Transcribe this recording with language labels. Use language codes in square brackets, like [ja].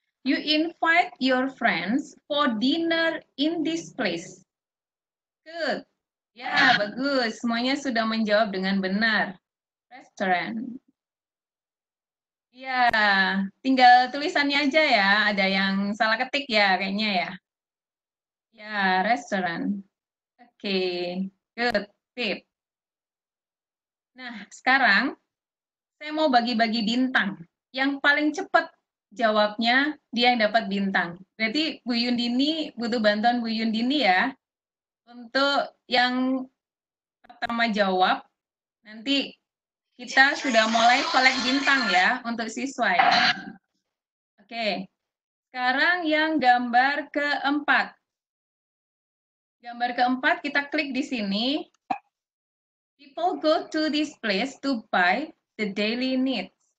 [en] You invite your friends for dinner in this place. [id] Good. Ya, yeah, bagus. Semuanya sudah menjawab dengan benar. Restaurant. Ya, tinggal tulisannya aja ya. Ada yang salah ketik ya, kayaknya ya. Ya, restaurant. Oke, okay. Good. Tip. Nah, sekarang saya mau bagi-bagi bintang. Yang paling cepat jawabnya, dia yang dapat bintang. Berarti Bu Yundini butuh bantuan Bu Yundini ya. Untuk yang pertama jawab, nanti kita sudah mulai kolek bintang ya untuk siswa ya. Oke, sekarang yang gambar keempat. Gambar keempat kita klik di sini. [en] People go to this place to buy the daily needs.